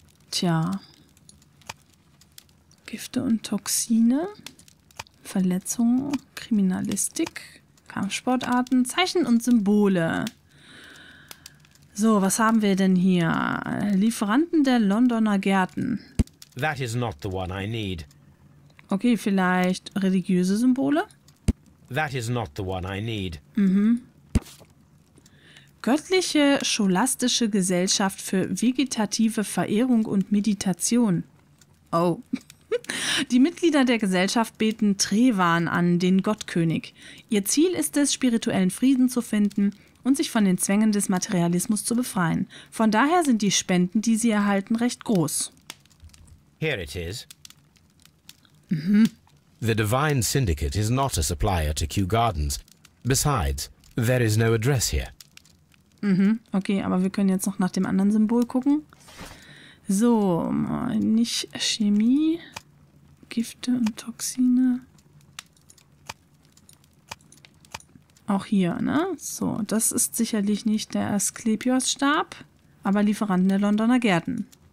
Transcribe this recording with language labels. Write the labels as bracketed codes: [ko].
[de] Tja, Gifte und Toxine, Verletzungen, Kriminalistik, Kampfsportarten, Zeichen und Symbole. So, was haben wir denn hier? Lieferanten der Londoner Gärten. [en] That is not the one I need. [de] Okay, vielleicht religiöse Symbole? [en] That is not the one I need. Mhm. [de] Göttliche scholastische Gesellschaft für vegetative Verehrung und Meditation. Oh. Die Mitglieder der Gesellschaft beten Trevan an, den Gottkönig. Ihr Ziel ist es, spirituellen Frieden zu finden und sich von den Zwängen des Materialismus zu befreien. Von daher sind die Spenden, die sie erhalten, recht groß. [en] Here it is. Mhm. The Divine Syndicate is not a supplier to Kew Gardens. Besides, there is no address here. [de] Okay, aber wir können jetzt noch nach dem anderen Symbol gucken. So, nicht Chemie, Gifte und Toxine. Auch hier, ne? So, das ist sicherlich nicht der Asklepios-Stab, aber Lieferanten der Londoner Gärten.